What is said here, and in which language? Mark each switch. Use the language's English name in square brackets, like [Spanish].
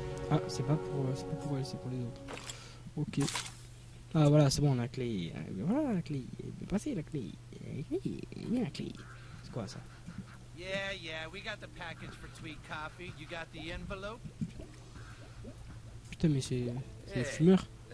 [French] Ah, c'est pas pour elle, c'est pour les autres. Ok. Ah voilà, c'est bon, on a la clé. Voilà la clé. Passez la clé. Il y a la clé. C'est quoi ça? [English] Yeah, we got the package for Tweet Coffee. You got the envelope? [French] Putain, mais c'est le fumeur.